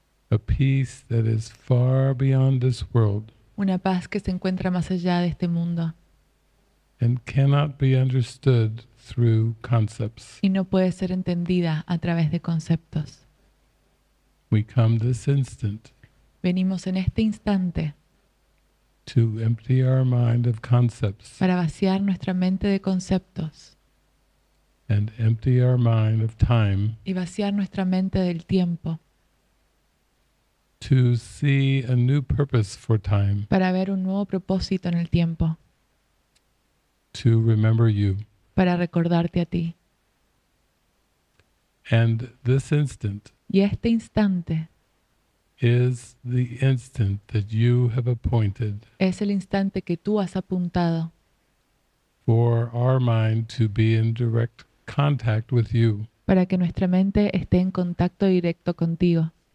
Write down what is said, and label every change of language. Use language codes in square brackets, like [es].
[en] a peace that is far beyond this world, [es] una paz que se encuentra más allá de este mundo, [en] and cannot be understood through concepts, [es] y no puede ser entendida a través de conceptos. [en] We come this instant, [es] venimos en este instante, [en] to empty our mind of concepts, [es] para vaciar nuestra mente de conceptos, [en] and empty our mind of time, [es] y vaciar nuestra mente del tiempo, [en] to see a new purpose for time, [es] para ver un nuevo propósito en el tiempo, [en] to remember you, [es] para recordarte a ti. [en] And this instant, [es] y este instante, [en] is the instant that you have appointed, [es] es el instante que tú has apuntado, [en] for our mind to be in direct contact with you, [es] para que nuestra mente esté en contacto directo contigo,